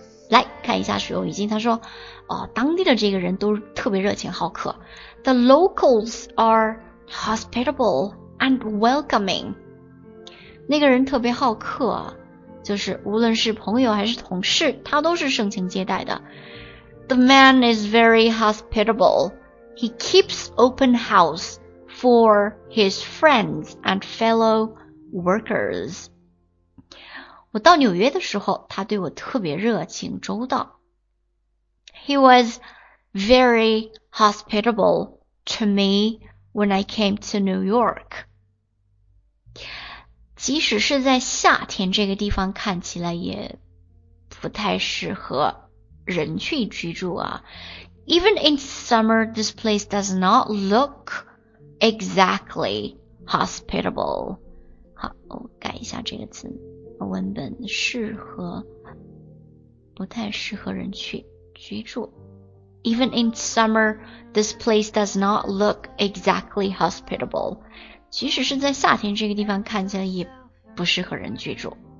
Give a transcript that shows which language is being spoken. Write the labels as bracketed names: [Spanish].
[Chinese] 来看一下使用语境，他说，当地的这个人都特别热情好客。 [English] The locals are hospitable and welcoming。 [Chinese] 那个人特别好客，就是无论是朋友还是同事，他都是盛情接待的。 [English] The man is very hospitable. He keeps open house for his friends and fellow workers. [Chinese] 我到纽约的时候，他对我特别热情周到。 [English] He was very hospitable to me when I came to New York. [Chinese] 即使是在夏天，这个地方看起来也不太适合人去居住啊。 [English] Even in summer, this place does not look exactly hospitable. [Chinese] 好，我改一下这个词，文本适合，不太适合人去居住。 [English] Even in summer, this place does not look exactly hospitable. [Chinese] 即使是在夏天，这个地方看起来也不适合人居住。